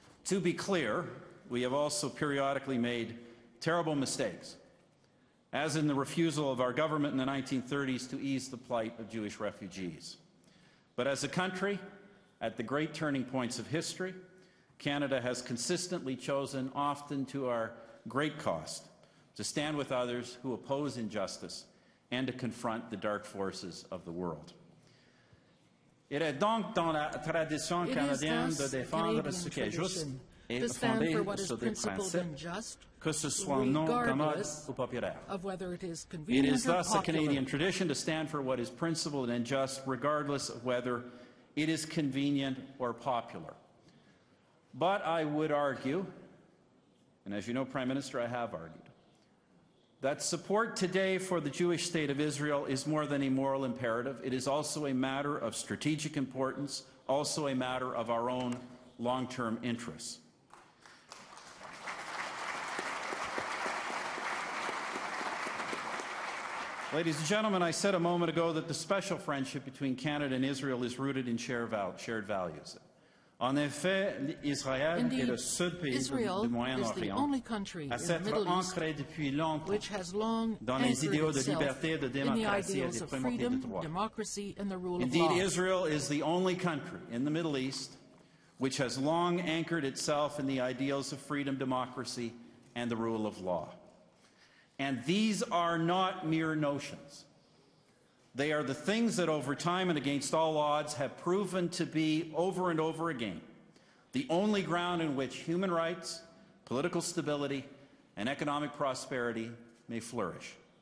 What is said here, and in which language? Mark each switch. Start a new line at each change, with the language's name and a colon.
English: To be clear, we have also periodically made terrible mistakes, as in the refusal of our government in the 1930s to ease the plight of Jewish refugees. But as a country, at the great turning points of history, Canada has consistently chosen, often to our great cost, to stand with others who oppose injustice and to confront the dark forces of the world. It is
French: donc dans la tradition canadienne de défendre ce qui est juste et fondé sur des principes, que ce soit non commode ou populaire.
English: It is thus a Canadian tradition to stand for what is principled and just, regardless of whether it is convenient or popular. But I would argue, and as you know, Prime Minister, I have argued, that support today for the Jewish state of Israel is more than a moral imperative. It is also a matter of strategic importance, also a matter of our own long-term interests. Ladies and gentlemen, I said a moment ago that the special friendship between Canada and Israel is rooted in shared values.
French: En effet, Israël est le seul pays du Moyen-Orient à s'être ancré depuis longtemps dans les idéaux de liberté, de démocratie et des primauté de droit.
English: Indeed, Israel is the only country in the Middle East which has long anchored itself in the ideals of freedom, democracy and the rule of law. And these are not mere notions. They are the things that over time and against all odds have proven to be, over and over again, the only ground in which human rights, political stability, and economic prosperity may flourish.